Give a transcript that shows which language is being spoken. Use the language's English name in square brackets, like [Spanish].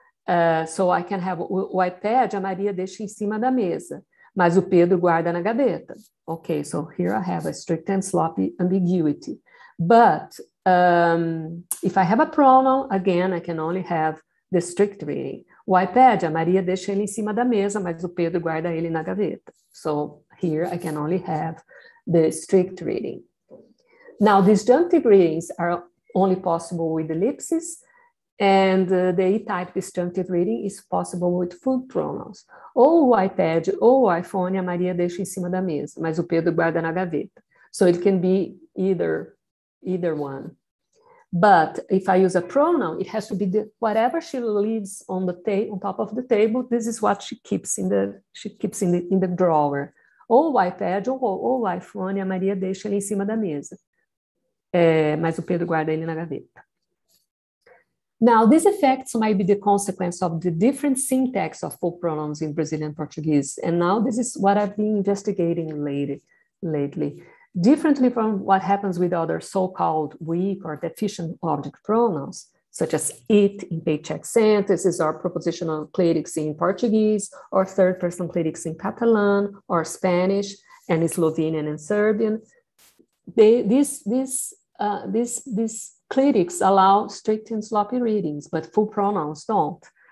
[English] So I can have [Portuguese] o iPad, a Maria deixa em cima da mesa, mas o Pedro guarda na gaveta. [English] Okay, so here I have a strict and sloppy ambiguity. But if I have a pronoun, again, I can only have the strict reading. [Portuguese] O iPad, a Maria deixa ele em cima da mesa, mas o Pedro guarda ele na gaveta. [English] So here I can only have the strict reading. Now, disjunctive readings are only possible with ellipses, and the E-type disjunctive reading is possible with full pronouns. [Portuguese] Ou o iPad, ou o iPhone, a Maria deixa em cima da mesa, mas o Pedro guarda na gaveta. [English] So it can be either one. But if I use a pronoun, it has to be whatever she leaves on the on top of the table, this is what she keeps in the drawer. [Portuguese] Ou o iPad, ou o iPhone, a Maria deixa ele em cima da mesa. Mas o Pedro guarda ele na gaveta. [English] Now, these effects might be the consequence of the different syntax of full pronouns in Brazilian Portuguese. And now this is what I've been investigating lately. Differently from what happens with other so-called weak or deficient object pronouns, such as it in paycheck sentences, or prepositional clitics in Portuguese, or third person clitics in Catalan or Spanish and Slovenian and Serbian, these clitics allow strict and sloppy readings, but full pronouns don't.